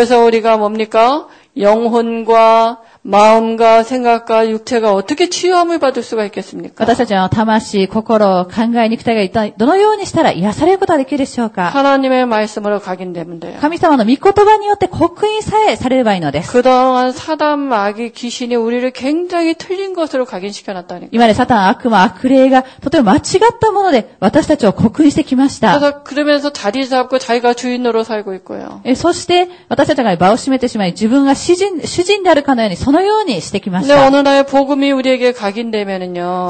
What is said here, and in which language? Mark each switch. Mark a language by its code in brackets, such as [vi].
[ko] 그래서우리가뭡니까영혼과마음과생각과육체가어떻게치유함을받을수가있겠습니까 [ja] 私たちの魂、心、考え、肉体が一体どのようにしたら癒されることができるでしょうか [ko] 하나님의말씀으로각인되면돼요 [ja] 神様の御言葉によって刻印さえされればいいのです [ko] 그동안사단악의귀신이우리를굉장히틀린것으로각인시켜놨다니까 [ja] 今まで [ko] 사단악 [ja] 魔악霊がとても間違ったもので私たちを刻印してきました [ko] 그래서그러면서자리잡고자기가주인으로살고있고요 [ja] そして私たちが場を占めてしまい自分が主人であるかのようにそのようにしてきました。 [ko] で、어느날복음이우리에게각인되면은요。